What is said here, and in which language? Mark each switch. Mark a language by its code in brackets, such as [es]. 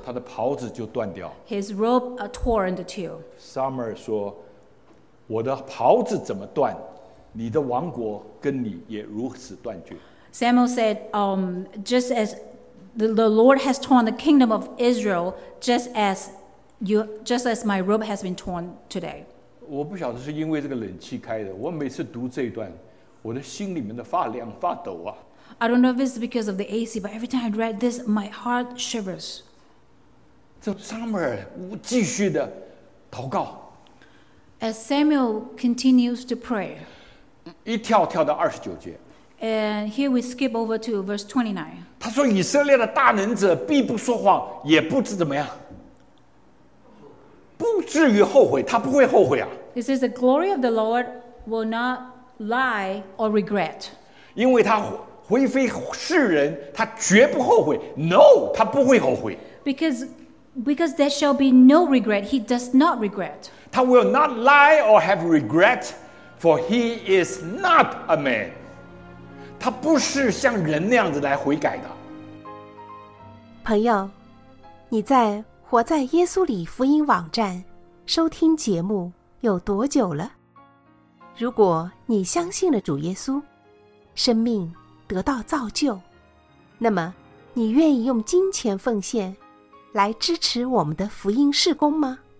[zh] 他的袍子就断掉。 [en] His robe tore into two. [zh] Samuel 说，我的袍子怎么断，你的王国跟你也如此断绝。 [en] Samuel said, just as the Lord has torn the kingdom of Israel, just as my robe has been torn today. [zh] 我不晓得是因为这个冷气开的，我每次读这一段，我的心里面的发凉发抖啊。 [en] I don't know if it's because of the AC, but every time I read this, my heart shivers. So [zh] Samuel 继续的祷告。 [en] As Samuel continues to pray, [zh] 一跳跳到二十九节。 [en] And here we skip over to verse 29. [zh] 他说以色列的大能者必不说谎，也不知怎么样，不至于后悔，他不会后悔啊。 [en] He says the glory of the Lord will not lie or regret. [zh] 因为他灰飞世人，他绝不后悔。 [en] No, [zh] 他不会后悔。 [en] Because there shall be no regret, he does not regret. [zh] 他 [en] will not lie or have regret, for he is not a man. [zh] 他不是像人那样子来悔改的。朋友，你在活在耶稣里福音网站收听节目有多久了？如果你相信了主耶稣，生命得到造就，那么你愿意用金钱奉献来支持我们的福音事工吗？